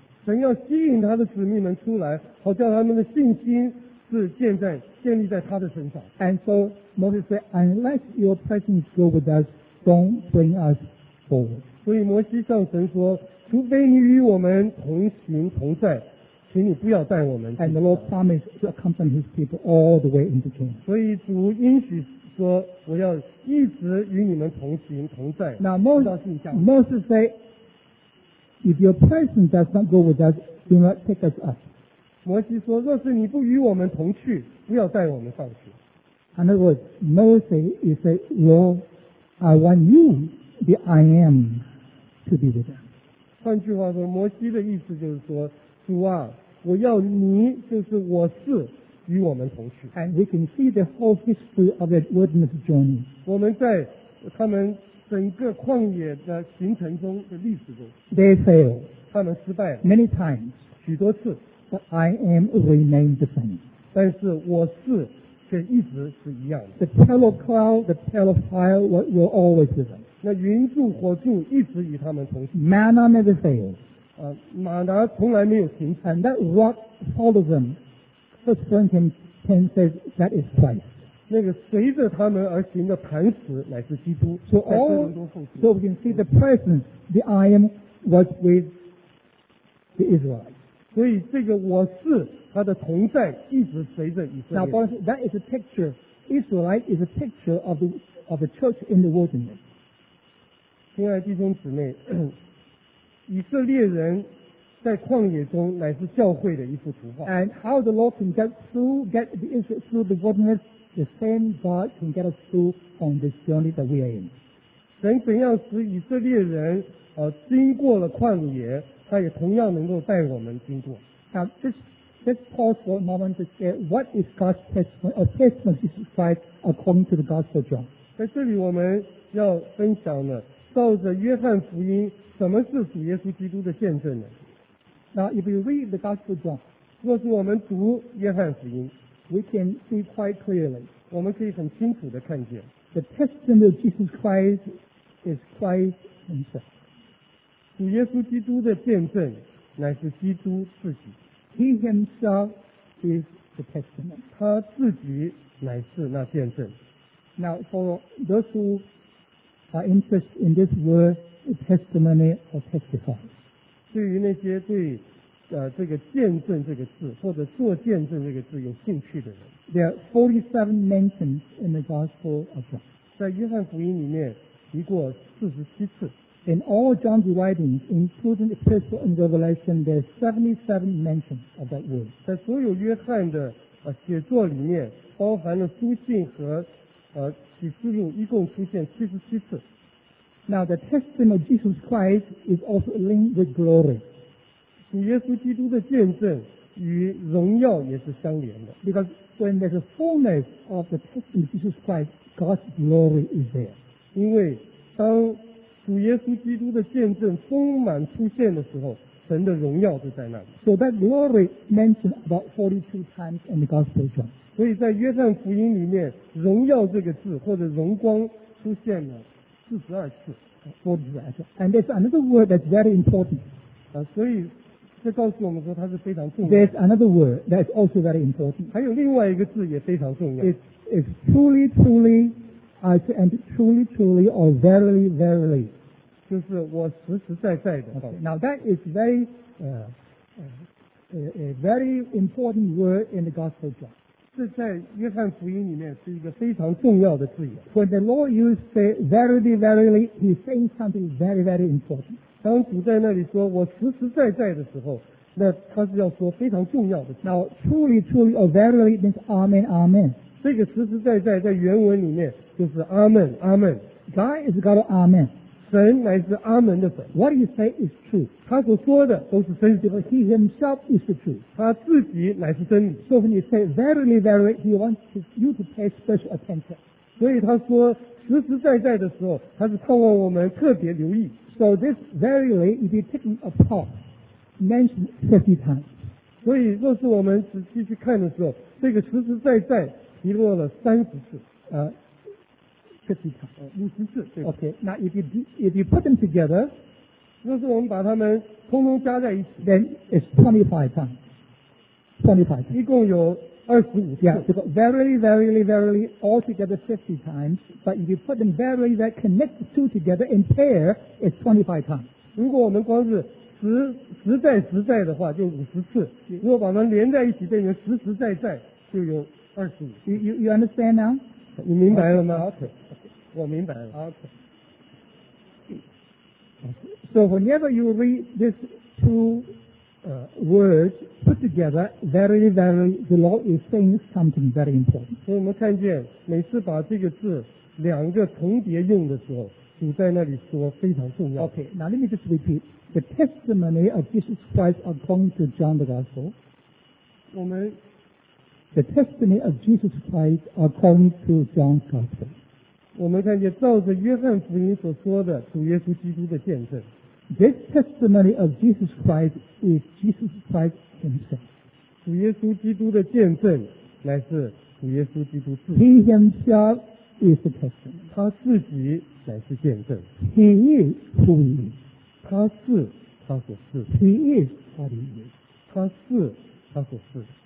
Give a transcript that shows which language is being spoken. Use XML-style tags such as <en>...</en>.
<zh>神要吸引他的子民们出来，好叫他们的信心是建立在他的身上。</zh> <en>And so Moses said, "Unless your presence go with us." Don't bring us forward.</en> <zh>所以摩西向神说，除非你与我们同行同在，请你不要带我们。</zh> <en>And the Lord promised to accompany His people all the way into Canaan.</en> <zh>所以主应许说，我要一直与你们同行同在。</zh> <en>Now Moses said, "If your presence does not go with us, do not take us up."</en> <zh>摩西说，若是你不与我们同去，不要带我们上去。</zh> <en>In other words, Moses is saying, "Lord." I want you, the I am, to be with them.</en> <zh>换句话说，摩西的意思就是说，主啊，我要你，就是我是，与我们同去。</zh> <en>And we can see the whole history of that wilderness journey.</en> <zh>我们在他们整个旷野的行程中的历史中</zh> <en>，They fail.</en> <zh>他们失败了</zh> <en>many times.</en> <zh>许多次</zh> <en>，But I am remained the same.</en> <zh>但是我是。却一直是一样的。</zh> <en>The pillar of cloud, the pillar of fire were always with them.</en> <zh>那云柱火柱一直与他们同行。</zh> <en>Manna never failed.</en> <zh>马拿从来没有停</zh> <en>止。And that rock followed them. First Corinthians 10 says that is Christ.</en> <zh>那个随着他们而行的磐石乃是基督。</zh> <en>So we can see the presence, the I am was with the Israelites.</en> <zh>所以这个我是他的同在一直随着以色列。</zh> <en>Now, Paul, that is a picture. Israelite is a picture of the church in the wilderness.</en> <zh>亲爱的弟兄姊妹，以色列人在旷野中乃是教会的一幅图画。</zh> <en>And how the Lord can get through the wilderness, the same God can get us through on this journey that we are in.</en> <zh>神怎样使以色列人经过了旷野，他也同样能够带我们经过。</zh> <en>Now, Let's pause for a moment to say what is God's testimony or testimony of Jesus Christ according to the Gospel of John.</en> <zh>在这里我们要分享的，照着约翰福音，什么是主耶稣基督的见证呢？</zh> <en>Now, if you read the Gospel of John,</en> <zh>若是我们读约翰福音，</zh> <en>we can see quite clearly.</en> <zh>我们可以很清楚地看见，</zh> <en>the testimony of Jesus Christ is Christ Himself.</en> <zh>主耶稣基督的见证乃是基督自己。</zh> <en>He himself is the testimony.</en> <zh>他自己乃是那见证。</zh> <en>Now, for those who are interested in this word, the testimony or testify.</en> <zh>对于那些对这个见证这个字或者做见证这个字有兴趣的人。</zh> <en>There are 47 mentions in the Gospel of John.</en> <zh>在约翰福音里面提过47次。</zh> <en>In all John's writings, including Epistle and Revelation, there are 77 mentions of that word.</en> <zh>在所有约翰的写作里面，包含了书信和启示录，一共出现77次。</zh> <en>Now the testimony of Jesus Christ is also linked with glory.</en> <zh>主耶稣基督的见证与荣耀也是相连的。</zh> <en>Because when there's a fullness of the testimony of Jesus Christ, God's glory is there.</en> <zh>因为当主耶稣基督的见证丰满出现的时候，神的荣耀就在那里。</zh> <en>So that glory mentioned about 42 times in the Gospel of John.</en> <zh>所以在约翰福音里面，荣耀这个字或者荣光出现了42次。</zh> <en>And there's another word that's very important.</en> <zh>所以这告诉我们说它是非常重要。</zh> <en>There's another word that's also very important.</en> <zh>还有另外一个字也非常重要。</zh> <en>It's truly, truly. And truly, truly, or verily, verily.</en> <zh>就是我实实在在的。</zh> <en>Okay, now that is very, a very important word in the Gospel of John.</en> <zh>这在约翰福音里面是一个非常重要的字眼。</zh> <en>When the Lord used to say verily, verily, he's saying something very, very important.</en> <zh>当主在那里说我实实在在的时候，那他是要说非常重要的字。</zh> <en>Now, truly, truly, or verily means amen, amen.</en> <zh>这个实实在在在原文里面就是阿们阿们。</zh> <en>God is God of Amen.</en> <zh>神乃是阿们的神。</zh> <en>What he say is true.</en> <zh>他所说的都是真理。</zh> <en>Because he himself is the truth.</en> <zh>他自己乃是真理。</zh> <en>So when you say verily, verily, he wants you to pay special attention.</en> <zh>所以他说实实在在的时候，他是盼望我们特别留意。</zh> <en>So this verily is taken apart, mentioned 50 times.</en> <zh>所以若是我们仔细去看的时候，这个实实在在提落了30次。</zh> <en>Okay, now if you put them together,</en> <zh>若是我们把它们通通加在一起，</zh> <en>then it's 25 times. 25 times.</en> <zh>一共有25次。</zh> <en>Yeah, so verily, verily, verily, all together 50 times, but if you put them verily that connect the two together in pair, it's 25 times.</en> <zh>如果我们光是实在实在的话，就50次。如果把它们连在一起，变成实实在在，就有25次。</zh> <en>You understand now?</en> <zh>你明白了吗</zh> <en>okay.</en> <zh>我明白了</zh> <en>okay. So whenever you read these two words put together, verily, verily, the Lord is saying something very important.</en> <zh>所以我们看见每次把这个字两个重叠用的时候，主在那里说非常重要。</zh> <en>Okay, now let me just repeat. The testimony of Jesus Christ according to John the Gospel.</en> <zh>我们</zh> <en>The testimony of Jesus Christ according to John's Gospel.</en> <zh>我们看见照着约翰福音所说的主耶稣基督的见证。</zh> <en>This testimony of Jesus Christ is Jesus Christ himself.</en> <zh>主耶稣基督的见证乃是主耶稣基督自己。</zh> <en>He himself is the testimony.</en> <zh>他自己乃是见证。</zh> <en>He is who he is.</en> <zh>他是他所是。</zh> <en>He is what he is.</en> <zh>他是他所是。</zh>